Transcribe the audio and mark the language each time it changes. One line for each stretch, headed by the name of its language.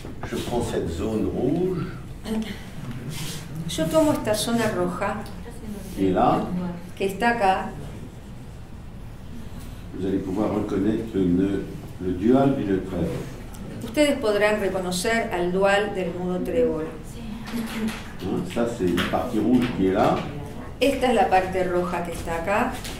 French: Je prends cette zone rouge.
Spanish: Yo tomo esta zona roja que está acá.
French: Vous allez pouvoir reconnaître le dual du nœud trèfle.
Spanish: Ustedes podrán reconocer al dual del nudo trébol.
French: Hein, ça c'est la partie rouge qui est là.
Spanish: Esta es la parte roja que está acá.